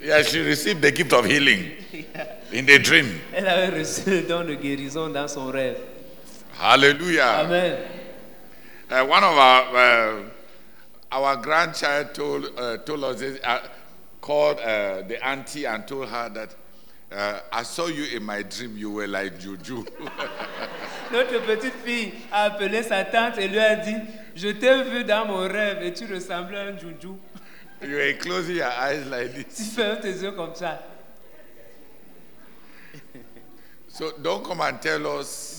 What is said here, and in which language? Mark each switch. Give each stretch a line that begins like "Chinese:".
English: Yeah, she received the gift of healing in the dream.
French: Elle avait reçu le don de guérison dans son rêve.
English: Hallelujah. Amen. One of our grandchild told us this, called the auntie and told her that I saw you in my dream. You were like juju.
French: Notre petite fille a appelé sa tante et lui a dit, je t'ai vu dans mon rêve et tu ressemblais à un juju.
English: You were closing your eyes like this.
French: Tu fermes tes yeux comme ça.
English: So don't come and tell us.